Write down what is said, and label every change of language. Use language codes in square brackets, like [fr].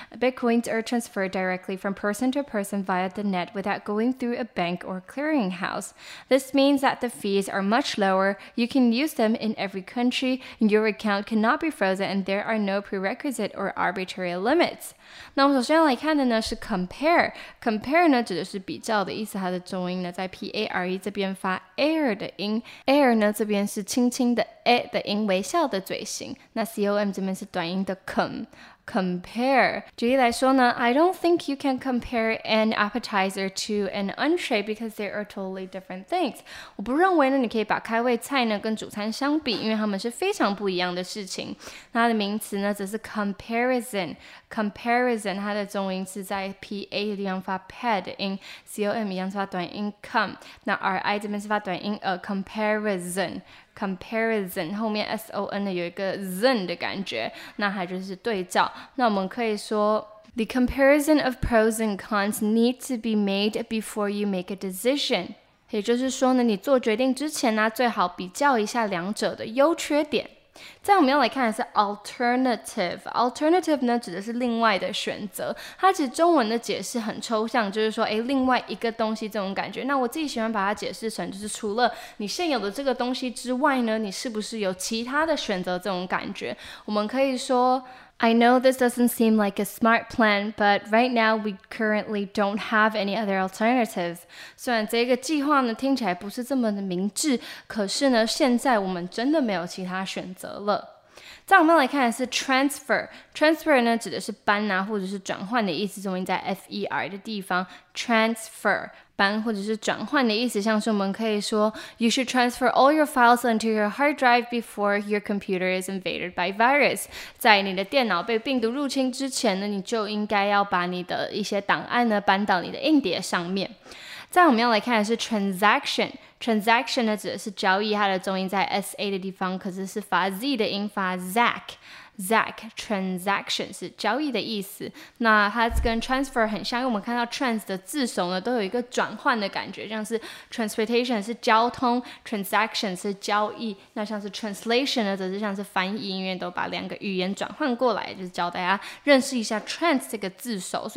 [en] Bitcoins are transferred directly from person to person via the net without going through a bank or clearinghouse. This means that the fees are much lower, you can use them in every country, your account cannot be frozen, and there are no prerequisite or arbitrary limits. [zh] 那我们首先来看的呢是 compare。compare 呢指的是比较的意思，它的重音呢在 PARE 这边发 air 的音。 air 呢这边是轻轻的 a 的音，微笑的嘴型。那 COM 这边是短音的 compare. 举例来说呢， [en] I don't think you can compare an appetizer to an entree because they are totally different things. [zh] 我不认为呢你可以把开胃菜呢跟主餐相比，因为它们是非常不一样的事情。那它的名词呢则是 comparison. comparison 它的中音是在 PA 的地方发 pad 音， COM 一样是发短音 com， 那 RI 这边是发短音 a comparisoncomparison 后面 son 的有一个 zen 的感觉，那它就是对照。那我们可以说 [en] The comparison of pros and cons need to be made before you make a decision， [zh] 也就是说呢你做决定之前呢最好比较一下两者的优缺点。再我们要来看的是 alternative。alternative 呢指的是另外的选择，它其实中文的解释很抽象，就是说诶另外一个东西这种感觉。那我自己喜欢把它解释成就是除了你现有的这个东西之外呢，你是不是有其他的选择这种感觉。我们可以说 [en] I know this doesn't seem like a smart plan, but right now we currently don't have any other alternatives. [zh] 虽然这个计划呢听起来不是这么的明智，可是呢现在我们真的没有其他选择了。再我们来看的是 transfer。transfer 呢指的是搬啊或者是转换的意思，中文在 fer 的地方 transfer 搬或者是转换的意思。像是我们可以说 [en] You should transfer all your files onto your hard drive before your computer is invaded by virus。 [zh] 在你的电脑被病毒入侵之前呢，你就应该要把你的一些档案呢搬到你的硬碟上面。再我们要来看的是 transaction。transaction 呢指的是交易，它的重音在 sa 的地方，可是是发 z 的音，发 zack。 zack transaction 是交易的意思，那它跟 transfer 很像，因为我们看到 trans 的字首呢都有一个转换的感觉，像是 transportation 是交通， transaction 是交易，那像是 translation 呢则是像是翻译，因为都把两个语言转换过来，就是教大家认识一下 trans 这个字首。